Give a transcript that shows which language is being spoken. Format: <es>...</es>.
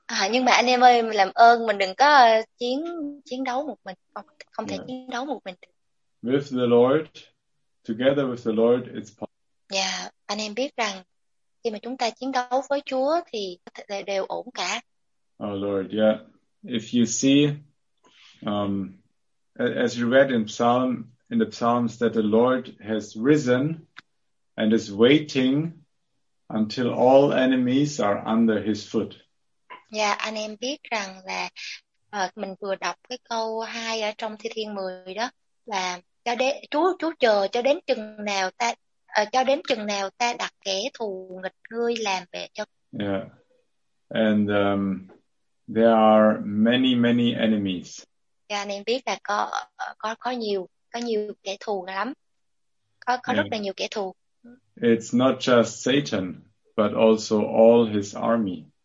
<vi>Nhưng mà anh em ơi, làm ơn mình đừng có chiến đấu một mình. Không thể chiến đấu một mình.</vi> <en>With the Lord. Together with the Lord, it's possible.</en> <vi>Yeah, anh em biết rằng khi mà chúng ta chiến đấu với Chúa thì đều ổn cả.</vi> <en>Oh Lord, yeah. If you see, as you read in the Psalms, that the Lord has risen and is waiting until all enemies are under His foot.</en> <vi>Yeah, anh em biết rằng là mình vừa đọc cái câu 2 ở trong Thi Thiên 10 đó là Chúa chờ cho đến chừng nào ta đặt kẻ thù nghịch ngươi làm bề cho.</vi> <en>Yeah. And there are many many enemies.</en> <vi>Yeah, anh em biết là có nhiều kẻ thù lắm. Rất là nhiều kẻ thù.</vi> <en>It's not just Satan, but also all his army.</en>